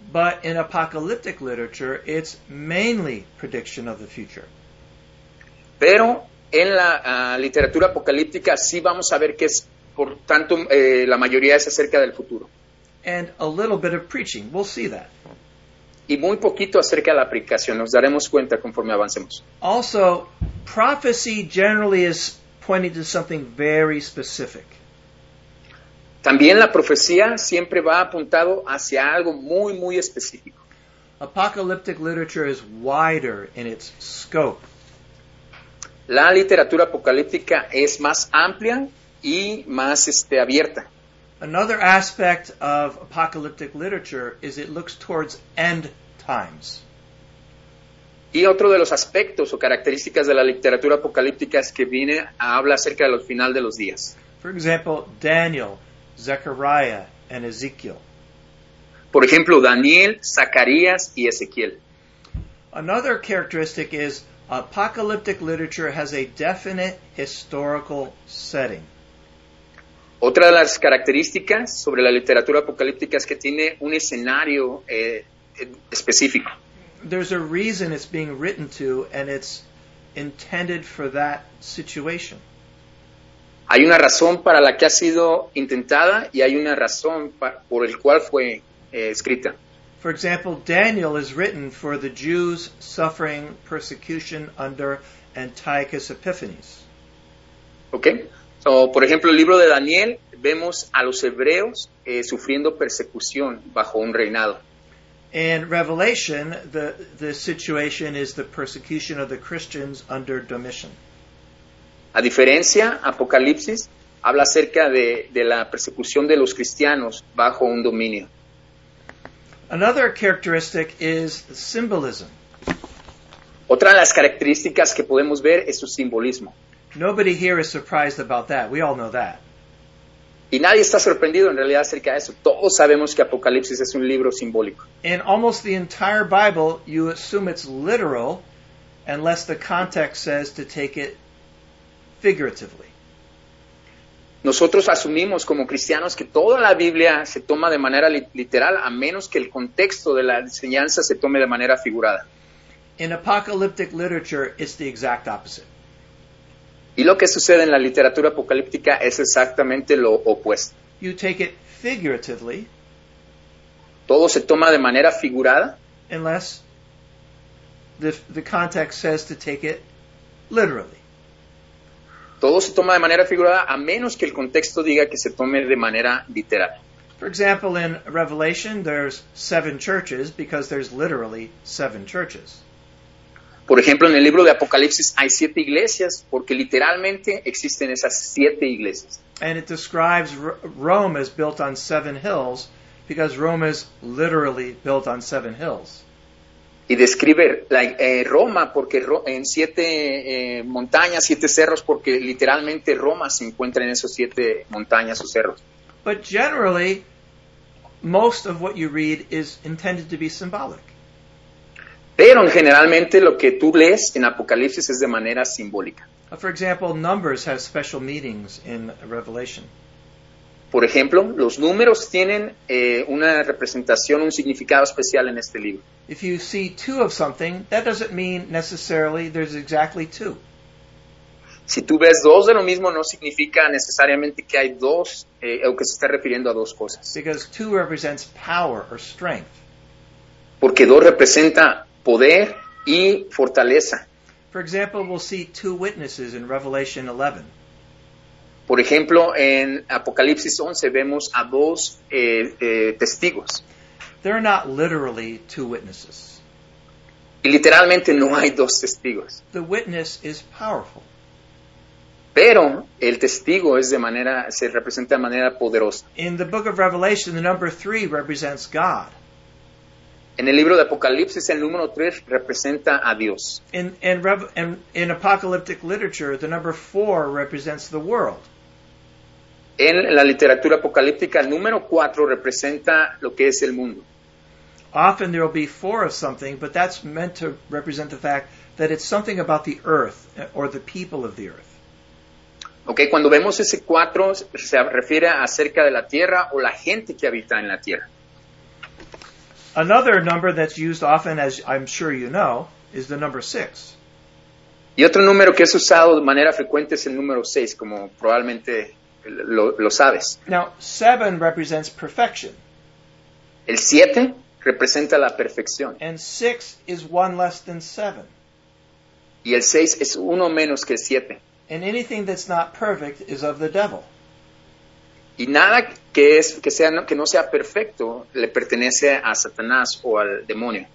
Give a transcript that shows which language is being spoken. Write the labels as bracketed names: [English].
[English] But in apocalyptic literature, it's mainly prediction of the future. [Spanish] Pero en la literatura apocalíptica sí vamos a ver que es, por tanto, la mayoría es acerca del futuro. [English] And a little bit of preaching. We'll see that. [Spanish] Y muy poquito acerca de la predicación. Nos daremos cuenta conforme avancemos. [English] Also, prophecy generally is pointing to something very specific. [Spanish] También la profecía siempre va apuntado hacia algo muy, muy específico. [English] Apocalyptic literature is wider in its scope. [Spanish] La literatura apocalíptica es más amplia y más abierta. [English] Another aspect of apocalyptic literature is it looks towards end times. [Spanish] Y otro de los aspectos o características de la literatura apocalíptica es que viene a hablar acerca de los final de los días. [English] For example, Daniel, Zechariah, and Ezekiel. [Spanish] Por ejemplo, Daniel, Zacarías y Ezequiel. [English] Another characteristic is apocalyptic literature has a definite historical setting. [Spanish] Otra de las características sobre la literatura apocalíptica es que tiene un escenario específico. [English] There's a reason it's being written to, and it's intended for that situation. [Spanish] Hay una razón para la que ha sido intentada y hay una razón por el cual fue escrita. [English] For example, Daniel is written for the Jews suffering persecution under Antiochus Epiphanes. Okay. [Spanish] So, por ejemplo, el libro de Daniel, vemos a los hebreos sufriendo persecución bajo un reinado. [English] In Revelation, the situation is the persecution of the Christians under Domitian. [Spanish] A diferencia, Apocalipsis habla acerca de la persecución de los cristianos bajo un dominio. [English] Another characteristic is symbolism. [Spanish] Otra de las características que podemos ver es su simbolismo. [English] Nobody here is surprised about that. We all know that. [Spanish] Y nadie está sorprendido en realidad acerca de eso. Todos sabemos que Apocalipsis es un libro simbólico. [English] In almost the entire Bible, you assume it's literal unless the context says to take it figuratively. [Spanish] Nosotros asumimos como cristianos que toda la Biblia se toma de manera literal a menos que el contexto de la enseñanza se tome de manera figurada. [English] In apocalyptic literature, it's the exact opposite. [Spanish] Y lo que sucede en la literatura apocalíptica es exactamente lo opuesto. [English] You take it figuratively. [Spanish] Todo se toma de manera figurada. [English] Unless the context says to take it literally. [Spanish] Todo se toma de manera figurada a menos que el contexto diga que se tome de manera literal. [English] For example, in Revelation, there's seven churches because there's literally seven churches. [Spanish] Por ejemplo, en el libro de Apocalipsis hay siete iglesias porque literalmente existen esas siete iglesias. [English] And it describes Rome as built on seven hills because Rome is literally built on seven hills. [Spanish] Y describe Roma porque en siete montañas, siete cerros, porque literalmente Roma se encuentra en esos siete montañas o cerros. [English] But generally, most of what you read is intended to be symbolic. [Spanish] Pero generalmente lo que tú lees en Apocalipsis es de manera simbólica. [English] For example, numbers have special meanings in Revelation. [Spanish] Por ejemplo, los números tienen una representación, un significado especial en este libro. [English] If you see two of something, that doesn't mean necessarily there's exactly two. [Spanish] Si tú ves dos de lo mismo, no significa necesariamente que hay dos, o que se está refiriendo a dos cosas. [English] Because two represents power or strength. [Spanish] Porque dos representa poder y fortaleza. [English] For example, we'll see two witnesses in Revelation 11. [Spanish] Por ejemplo, en Apocalipsis 11 vemos a dos testigos. [English] They're not literally two witnesses. [Spanish] Y literalmente no hay dos testigos. [English] The witness is powerful. [Spanish] Pero el testigo es de manera, se representa de manera poderosa. [English] In the book of Revelation, the number three represents God. [Spanish] En el libro de Apocalipsis, el número tres representa a Dios. [English] In apocalyptic literature, the number four represents the world. [Spanish] En la literatura apocalíptica, el número cuatro representa lo que es el mundo. [English] Often there will be four of something, but that's meant to represent the fact that it's something about the earth or the people of the earth. [Spanish] Okay, cuando vemos ese cuatro, se refiere acerca de la tierra o la gente que habita en la tierra. [English] Another number that's used often, as I'm sure you know, is the number six. [Spanish] Y otro número que es usado de manera frecuente es el número seis, como probablemente lo sabes. [English] Now, seven represents perfection. [Spanish] El siete representa la perfección. [English] And six is one less than seven. [Spanish] Y el seis es uno menos que el siete. [English] And anything that's not perfect is of the devil. [Spanish] Y nada que es que no sea perfecto le pertenece a Satanás o al demonio.